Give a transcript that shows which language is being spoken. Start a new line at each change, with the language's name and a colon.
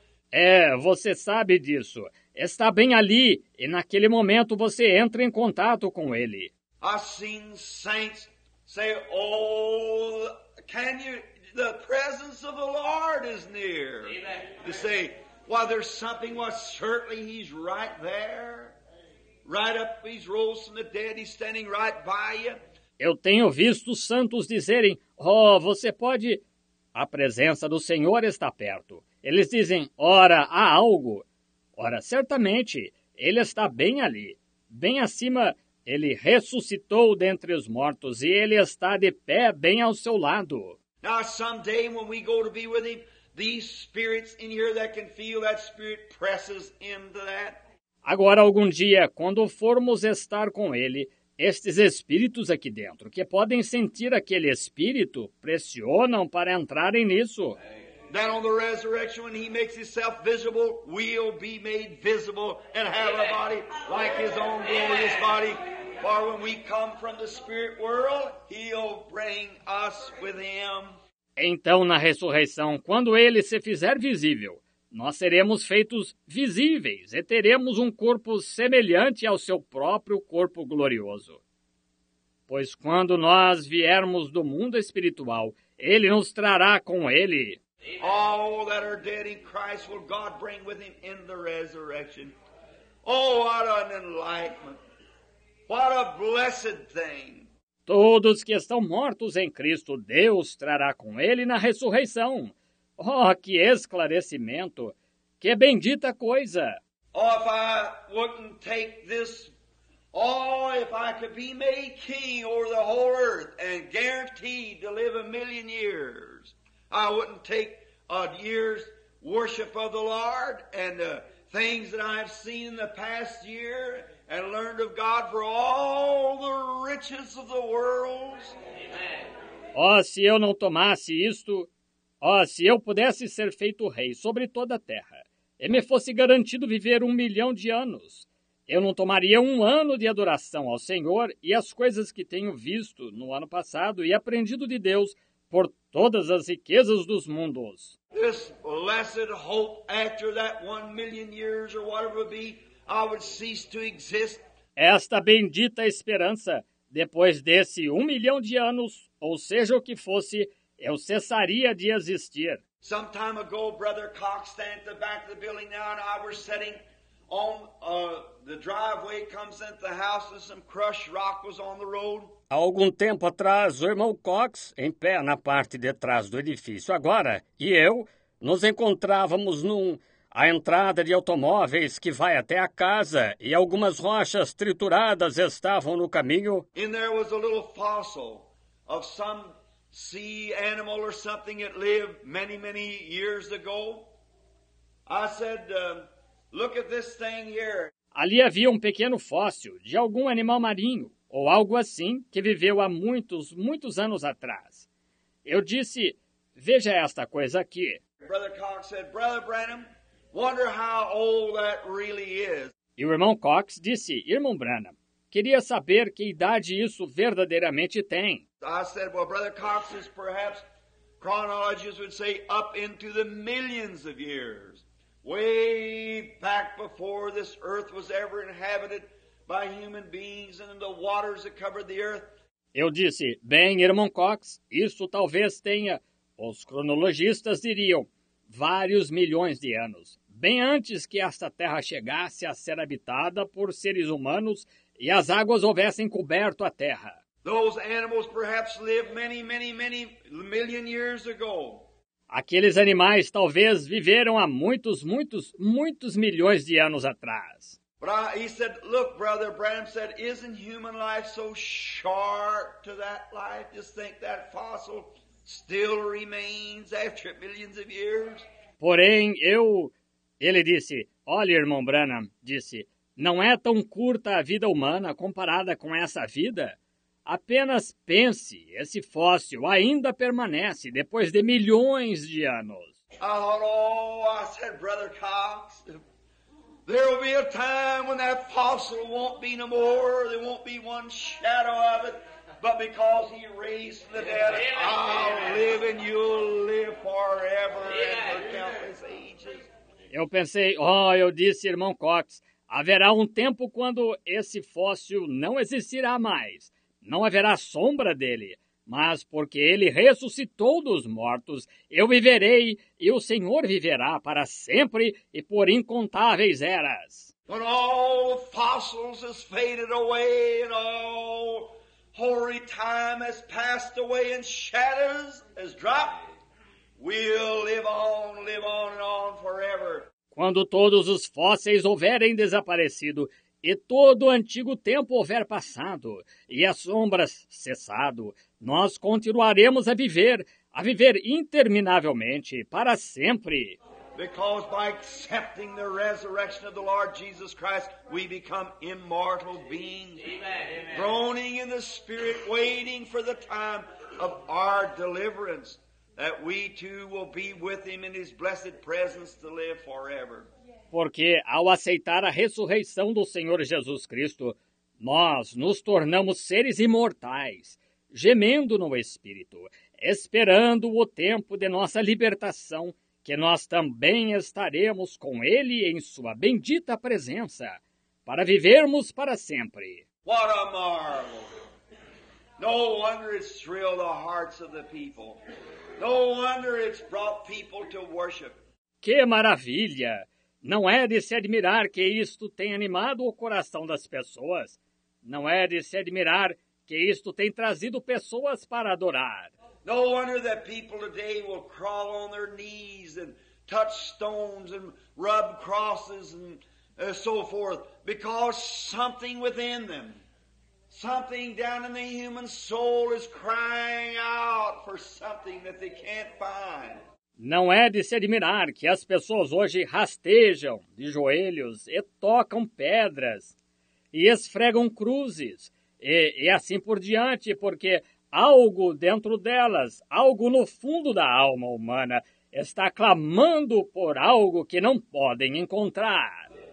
Portuguese: É, você sabe disso. Está bem ali, e naquele momento você entra em contato com ele.
English: I've seen saints say, oh, can you, the presence of the Lord is near. To say, well, there's something, well, certainly he's right there. Right up, he's rose from the dead, he's standing right by you.
Portuguese: Eu tenho visto santos dizerem, oh, você pode... A presença do Senhor está perto. Eles dizem, ora, há algo. Ora, certamente, ele está bem ali. Bem acima, ele ressuscitou dentre os mortos e ele está de pé bem ao seu lado.
English: Now, someday, when we go to be with him, these spirits in here that can feel that spirit presses into that.
Portuguese: Agora, algum dia, quando formos estar com ele, estes espíritos aqui dentro, que podem sentir aquele espírito, pressionam para entrarem nisso.
English: That on the resurrection, when he makes himself visible, we'll be made visible and have a body like his own glorious body. For when we come from the spirit world, he'll bring us with him.
Portuguese: Então, na ressurreição, quando ele se fizer visível, nós seremos feitos visíveis e teremos um corpo semelhante ao seu próprio corpo glorioso. Pois quando nós viermos do mundo espiritual, ele nos trará com ele.
English: All that are dead in Christ will God bring with him in the resurrection. Oh, what an enlightenment! What a blessed thing!
Portuguese: Todos que estão mortos em Cristo, Deus trará com ele na ressurreição. Oh, que esclarecimento! Que bendita coisa!
English: Oh, if I wouldn't take this, oh, if I could be made king over the whole earth and guaranteed to live a million years, I wouldn't take a year's worship of the Lord and the things that I've seen in the past year and learned of God for all the riches of the world. Amen.
Portuguese: Oh, se eu não tomasse isto... Oh, se eu pudesse ser feito rei sobre toda a terra, e me fosse garantido viver 1 milhão de anos, eu não tomaria 1 ano de adoração ao Senhor e as coisas que tenho visto no ano passado e aprendido de Deus por todas as riquezas dos mundos.
English: This blessed hope after that 1 million years or whatever it be, I would cease to exist.
Portuguese: Esta bendita esperança, depois desse 1 milhão de anos, ou seja o que fosse, eu cessaria de existir.
English: Some time ago, Brother Cox stand at the back of the building now, and I were sitting on the driveway comes into the house, and some crushed rock was on the road.
Portuguese: Há algum tempo atrás, o irmão Cox, em pé na parte de trás do edifício agora, e eu, nos encontrávamos a entrada de automóveis que vai até a casa, e algumas rochas trituradas estavam no caminho. E
English: there was a little fossil of some sea animal or something that lived many, many years ago. I said, look at this thing here.
Portuguese: Ali havia um pequeno fóssil de algum animal marinho, ou algo assim, que viveu há muitos, muitos anos atrás. Eu disse, veja esta coisa aqui.
English: Brother Cox said, Brother Branham, wonder how old that really is.
Portuguese: E o irmão Cox disse, irmão Branham, queria saber que idade isso verdadeiramente tem.
English: I said, well, Brother Cox is perhaps, chronologists would say, up into the millions of years. Way back before this earth was ever inhabited by human beings and the waters that covered the earth.
Portuguese: Eu disse, bem, irmão Cox, isso talvez tenha, os cronologistas diriam, vários milhões de anos, bem antes que esta terra chegasse a ser habitada por seres humanos e as águas houvessem coberto a terra.
English: Those animals perhaps lived many, many, many million years ago.
Portuguese: Aqueles animais talvez viveram há muitos, muitos, muitos milhões de anos atrás.
English: He said, look, Brother Branham said, isn't human life so short to that life? Just think that fossil still remains after millions of years.
Portuguese: Porém, ele disse, olha, irmão Branham, disse, não é tão curta a vida humana comparada com essa vida? Apenas pense, esse fóssil ainda permanece depois de milhões de anos.
English: Oh, no, I said, Brother Cox, there will be a time when that fossil won't be no more. There won't be one shadow of it. But because he raised from the dead, I'll live and you'll live forever and for countless ages.
Portuguese: Eu pensei, oh, eu disse, irmão Cox, haverá um tempo quando esse fóssil não existirá mais. Não haverá sombra dele, mas porque ele ressuscitou dos mortos, eu viverei e o Senhor viverá para sempre e por incontáveis eras.
English: When all the fossils has faded away and all hoary time has passed away and shadows has dropped, we'll live on and on forever.
Portuguese: Quando todos os fósseis houverem desaparecido, e todo o antigo tempo houver passado, e as sombras cessado, nós continuaremos a viver interminavelmente, para sempre.
English: Because by accepting the resurrection of the Lord Jesus Christ, we become immortal beings. Amen, amen. Groaning in the spirit, waiting for the time of our deliverance, that we too will be with him in his blessed presence to live forever.
Portuguese: Porque, ao aceitar a ressurreição do Senhor Jesus Cristo, nós nos tornamos seres imortais, gemendo no Espírito, esperando o tempo de nossa libertação, que nós também estaremos com Ele em sua bendita presença, para vivermos para sempre.
English: What a marvel! No wonder it's thrilled the hearts of the people. No wonder it's brought people to worship.
Portuguese: Que maravilha! Não é de se admirar que isto tenha animado o coração das pessoas. Não é de se admirar que isto tenha trazido pessoas para adorar.
English: No wonder that people today will crawl on their knees and touch stones and rub crosses and so forth, because something within them, something down in the human soul is crying out for something that they can't find.
Portuguese: Não é de se admirar que as pessoas hoje rastejam de joelhos e tocam pedras e esfregam cruzes e assim por diante, porque algo dentro delas, algo no fundo da alma humana, está clamando por algo que não podem encontrar.